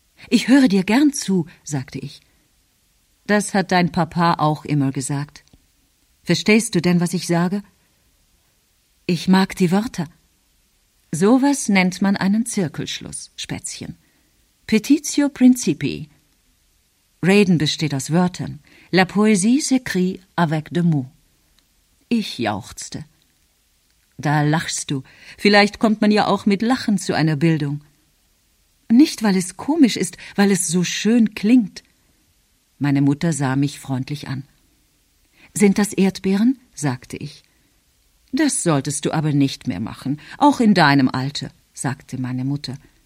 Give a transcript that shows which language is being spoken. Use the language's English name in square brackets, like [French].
[German] »Ich höre dir gern zu«, sagte ich. »Das hat dein Papa auch immer gesagt. Verstehst du denn, was ich sage?« »Ich mag die Wörter.« »Sowas nennt man einen Zirkelschluss, Spätzchen. Petitio principi. Reden besteht aus Wörtern. [French] La poésie s'écrit avec des mots.« [German] Ich jauchzte. »Da lachst du. Vielleicht kommt man ja auch mit Lachen zu einer Bildung.« »Nicht, weil es komisch ist, weil es so schön klingt.« Meine Mutter sah mich freundlich an. »Sind das Erdbeeren?« sagte ich. »Das solltest du aber nicht mehr machen, auch in deinem Alter«, sagte meine Mutter.